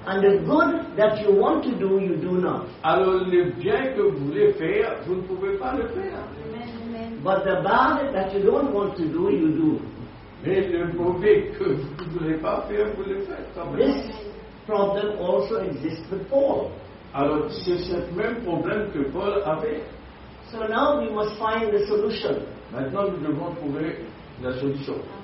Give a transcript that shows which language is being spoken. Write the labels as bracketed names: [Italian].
[English] And the good that you want to do, you do not. [French] Alors le bien que vous voulez faire, vous ne pouvez pas le faire. [English] But the bad that you don't want to do, you do. [French] Mais le mauvais que vous ne voulez pas faire, vous le faites quand même. [English] This problem also exists with Paul. [French] Alors c'est ce même problème que Paul avait. [English] So now we must find the solution. [French] Maintenant nous devons trouver la solution.